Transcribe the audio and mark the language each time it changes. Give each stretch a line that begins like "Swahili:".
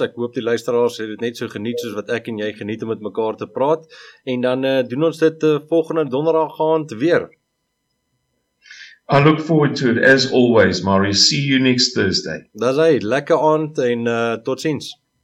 Afrikaans: Ek hoop die luisteraars het dit net so geniet soos wat ek en jy geniet om met mekaar te praat. En dan doen ons dit volgende donderdag aand weer.
English: I look forward to it, as always, Mario. See you next Thursday.
Afrikaans: Dis hy, lekker aand en tot ziens.